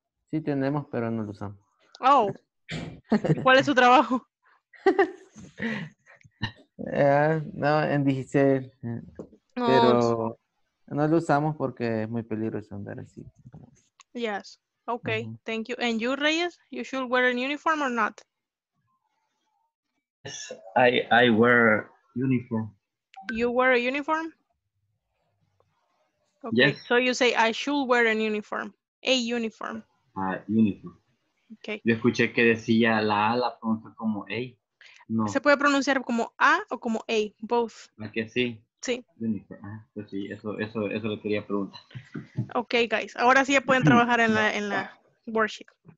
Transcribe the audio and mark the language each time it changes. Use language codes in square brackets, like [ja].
[es] Sí tenemos, pero no lo usamos. Oh. ¿Cuál es su trabajo? No, en Digicel, no, pero no lo usamos porque es muy peligroso andar así. [en] Yes, okay, uh-huh. Thank you. And you, Reyes, you should wear a uniform or not? Yes, I wear a uniform. You wear a uniform? Okay. Yes. So you say I should wear an uniform, a uniform. A uniform. Okay. [es] Yo escuché que decía la pronuncia como a. No. ¿Se puede pronunciar como A o como A? [en] Both. [es] Aquí sí. Sí. Pues sí, eso le quería preguntar. [en] Ok, guys. [es] Ahora sí ya pueden trabajar en la worksheet.